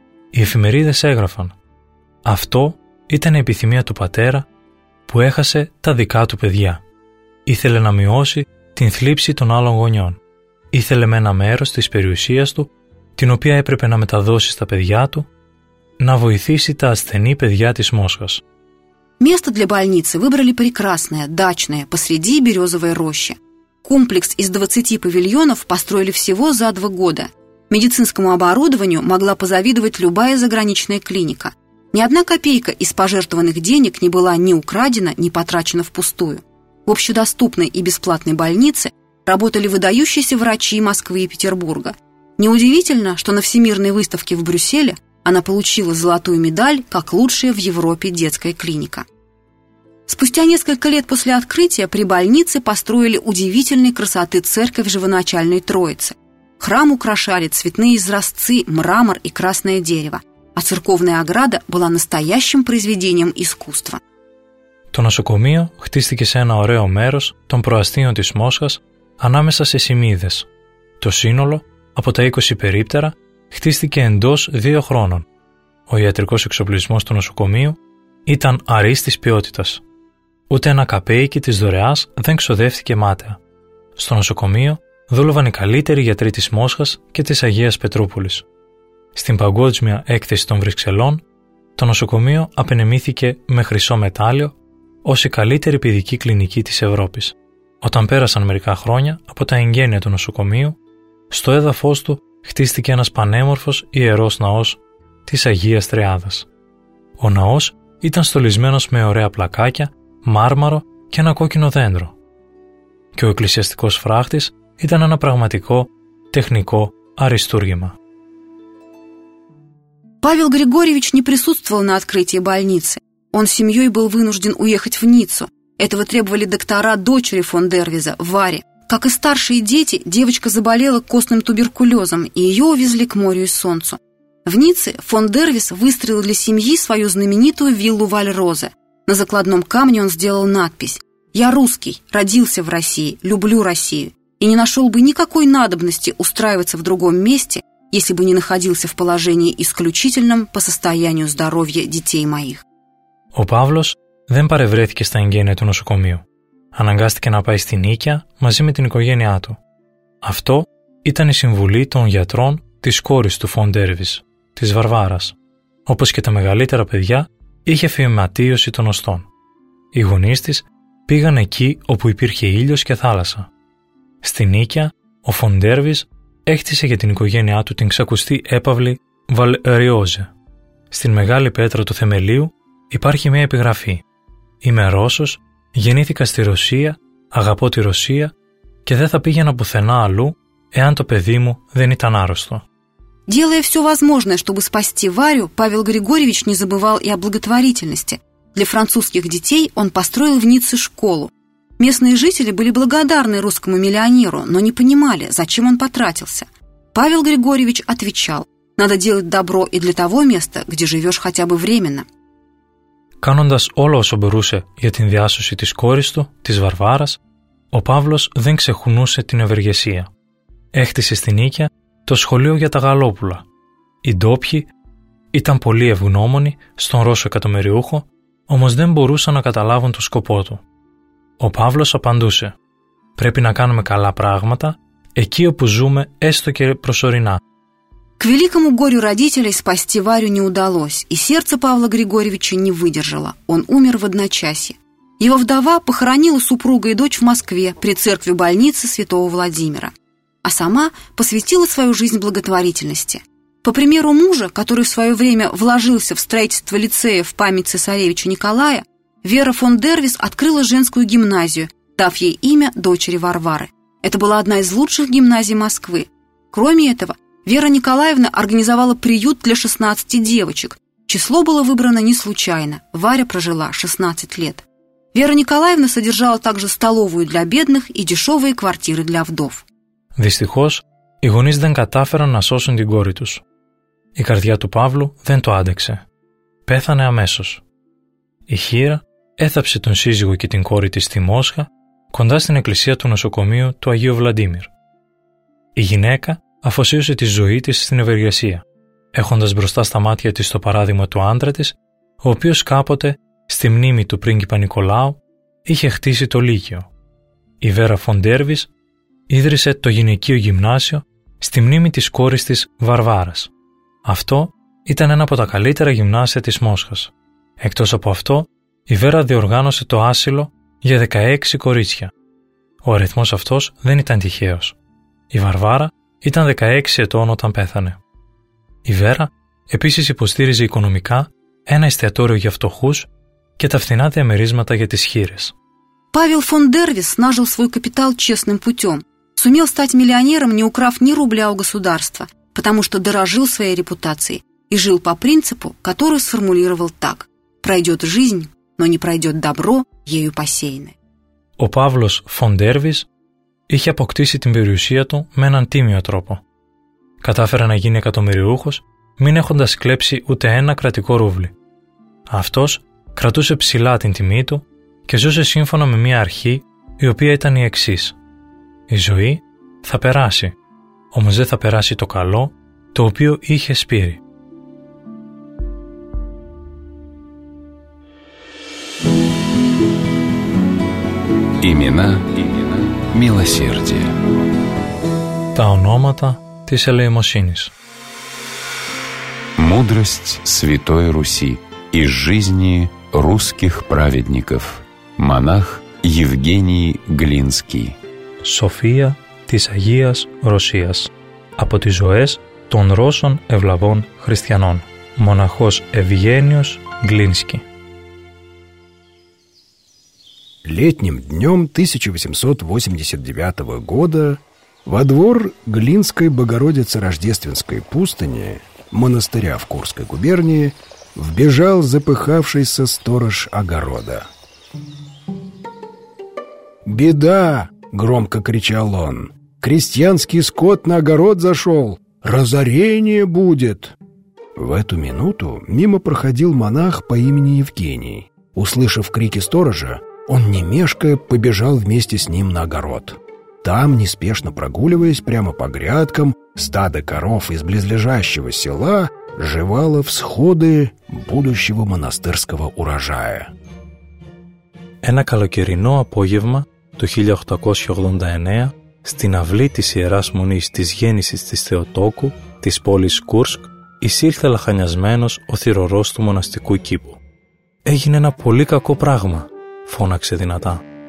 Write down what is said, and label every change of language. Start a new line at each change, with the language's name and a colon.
Greek: Οι εφημερίδες έγραφαν: αυτό ήταν η επιθυμία του πατέρα που έχασε τα δικά του παιδιά. Ήθελε να μειώσει την θλίψη των άλλων γονιών. Ήθελε με ένα μέρος της περιουσίας του, την οποία έπρεπε να μεταδώσει στα παιδιά του, να βοηθήσει τα ασθενή παιδιά της Μόσχας.
Russian: Место для больницы выбрали прекрасное, дачное, посреди березовой рощи. Комплекс из 20 павильонов построили всего за 2 года. Медицинскому оборудованию могла позавидовать любая заграничная клиника. Ни одна копейка из пожертвованных денег не была ни украдена, ни потрачена впустую. В общедоступной и бесплатной больнице работали выдающиеся врачи Москвы и Петербурга. Неудивительно, что на Всемирной выставке в Брюсселе она получила золотую медаль как лучшая в Европе детская клиника. Спустя несколько лет после открытия при больнице построили удивительной красоты церковь Живоначальной Троицы. Храм украшали цветные изразцы, мрамор и красное дерево, а церковная ограда была настоящим произведением искусства.
Greek: Το νοσοκομείο χτίστηκε σε ένα ωραίο μέρος των προαστίων της Μόσχας ανάμεσα σε σημείδες. Το σύνολο από τα 20 περίπτερα χτίστηκε εντός 2 χρόνων. Ο ιατρικός εξοπλισμός του νοσοκομείου ήταν αρίστης ποιότητας. Ούτε ένα καπέικι της δωρεάς δεν ξοδεύτηκε μάταια. Στο νοσοκομείο δούλευαν οι καλύτεροι γιατροί της Μόσχας και της Αγίας Πετρούπολης. Στην παγκόσμια έκθεση των Βρυξελών, το νοσοκομείο απενεμήθηκε με χρυσό μετάλλιο ως η καλύτερη παιδική κλινική της Ευρώπης. Όταν πέρασαν μερικά χρόνια από τα εγγένεια του νοσοκομείου, στο έδαφος του χτίστηκε ένας πανέμορφος ιερός ναός της Αγίας Τριάδας. Ο ναός ήταν στολισμένος με ωραία πλακάκια, μάρμαρο και ένα κόκκινο δέντρο. Και ο εκκλησιαστικός φράχτης ήταν ένα πραγματικό τεχνικό αριστούργημα.
Russian: Павел Григорьевич не присутствовал на открытии больницы. Он с семьей был вынужден уехать в Ниццу. Этого требовали доктора дочери фон Дервиза, Вари. Как и старшие дети, девочка заболела костным туберкулезом, и ее увезли к морю и солнцу. В Ницце фон Дервис выстроил для семьи свою знаменитую виллу Вальрозе. На закладном камне он сделал надпись: «Я русский, родился в России, люблю Россию, и не нашел бы никакой надобности устраиваться в другом месте, если бы не находился в положении исключительном по состоянию здоровья детей моих».
Greek: Ο Παύλος δεν παρευρέθηκε στα εγγένεια του νοσοκομείου. Αναγκάστηκε να πάει στην Νίκαια μαζί με την οικογένειά του. Αυτό ήταν η συμβουλή των γιατρών της κόρης του Φον Ντέρβις, της Βαρβάρας. Όπως και τα μεγαλύτερα παιδιά, είχε φυματίωση των οστών. Οι γονείς της πήγαν εκεί όπου υπήρχε ήλιος και θάλασσα. Στη Νίκαια, ο Φον Ντέρβις έκτισε για την οικογένειά του την ξακουστή έπαυλη Βαλριόζε. Στην μεγάλη πέτρα του θεμελίου υπάρχει μια επιγραφή: «Είμαι Ρώσος, γεννήθηκα στη Ρωσία, αγαπώ τη Ρωσία και δεν θα πήγαινα πουθενά αλλού εάν το παιδί μου δεν ήταν άρρωστο».
Russian: Делая все возможное, чтобы спасти Варю, Павел Григорьевич не забывал и о благотворительности. Для французских детей он построил в Ницце школу. Местные жители были благодарны русскому миллионеру, но не понимали, зачем он потратился. Павел Григорьевич отвечал: «Надо делать добро и для того места, где живешь хотя бы временно».
Greek: Κάνοντας όλο όσο μπορούσε για την διάσωση της κόρης του, της Βαρβάρας, ο Παύλος δεν ξεχνούσε την ευεργεσία. Έχτισε στη Νίκαια το σχολείο για τα γαλόπουλα. Οι ντόπιοι ήταν πολύ ευγνώμονοι στον Ρώσο εκατομμυριούχο, όμως δεν μπορούσαν να καταλάβουν το σκοπό του. Ο Παύλος απαντούσε: «Πρέπει να κάνουμε καλά πράγματα εκεί όπου ζούμε, έστω και προσωρινά.
Russian: К великому горю родителей спасти Варю не удалось, и сердце Павла Григорьевича не выдержало. Он умер в одночасье. Его вдова похоронила супруга и дочь в Москве при церкви больницы Святого Владимира, а сама посвятила свою жизнь благотворительности. По примеру мужа, который в свое время вложился в строительство лицея в память цесаревича Николая, Вера фон Дервис открыла женскую гимназию, дав ей имя дочери Варвары. Это была одна из лучших гимназий Москвы. Кроме этого, Вера Николаевна организовала приют для 16 девочек. Число было выбрано не случайно. Варя прожила 16 лет. Вера Николаевна содержала также столовую для бедных и дешевые квартиры для вдов.
Greek: Дистихос, οι γονείς δεν κατάφεραν να σώσουν την κόρη τους. Η καρδιά του Παύλου δεν το άντεξε. Πέθανε αμέσως. Η χείρα έθαψε τον σύζυγο και την κόρη της στη Μόσχα, κοντά στην εκκλησία του νοσοκομείου του Αγίου Βλαντίμιρ. Η γυναίκα αφοσίωσε τη ζωή της στην ευεργεσία, έχοντας μπροστά στα μάτια της το παράδειγμα του άντρα της, ο οποίος κάποτε, στη μνήμη του πρίγκιπα Νικολάου, είχε χτίσει το Λύκειο. Η Βέρα φον Ντέρβις ίδρυσε το γυναικείο γυμνάσιο στη μνήμη της κόρης της Βαρβάρας. Αυτό ήταν ένα από τα καλύτερα γυμνάσια της Μόσχας. Εκτός από αυτό, η Βέρα διοργάνωσε το άσυλο για 16 κορίτσια. Ο αριθμός αυτός δεν ήταν τυχαίος. Η Βαρβάρα ήταν 16 ετών όταν πέθανε. Η Βέρα επίσης υποστήριζε οικονομικά ένα εστιατόριο για φτωχούς και τα φθηνά διαμερίσματα για τις χείρες.
Russian: Павел фон Дервис нажил свой капитал честным путем, сумел стать миллионером, не украв ни рубля у государства, потому что дорожил своей репутацией и жил по принципу, который сформулировал так: «Пройдет жизнь, но не пройдет добро, ею посеянное».
Greek: Ο Παύλος φον Ντέρβις είχε αποκτήσει την περιουσία του με έναν τίμιο τρόπο. Κατάφερε να γίνει εκατομμυριούχος, μην έχοντας κλέψει ούτε ένα κρατικό ρούβλι. Αυτός κρατούσε ψηλά την τιμή του και ζούσε σύμφωνα με μία αρχή, η οποία ήταν η εξής: «Η ζωή θα περάσει, όμως δεν θα περάσει το καλό, το οποίο είχε σπείρει».
Russian: Имена, имена, милосердие.
Greek: Τα ονόματα της ελεημοσύνης.
Russian: Мудрость Святой Руси из жизни русских праведников. Монах Евгений Глинский.
Greek: Σοφία της Αγίας Ρωσίας. Από τις ζωές των Ρώσων ευλαβών χριστιανών. Μοναχός Ευγένιος Γκλίνσκι.
Russian: Летним днем 1889 года во двор Глинской Богородицы Рождественской пустыни, монастыря в Курской губернии, вбежал запыхавшийся сторож огорода. «Беда!» — громко кричал он. «Крестьянский скот на огород зашел! Разорение будет!» В эту минуту мимо проходил монах по имени Евгений. Услышав крики сторожа, он не мешкая побежал вместе с ним на огород. Там, неспешно прогуливаясь прямо по грядкам, стадо коров из близлежащего села жевало всходы будущего монастырского урожая.
Greek: Ένα καλοκαιρινό απόγευμα του 1889, στην αυλή της Ιεράς Μονής της Γέννησης της Θεοτόκου, της πόλης Κούρσκ, εισήλθε λαχανιασμένος ο θυρωρός του μοναστικού κήπου. «Έγινε ένα πολύ κακό πράγμα», φώναξε δυνατά.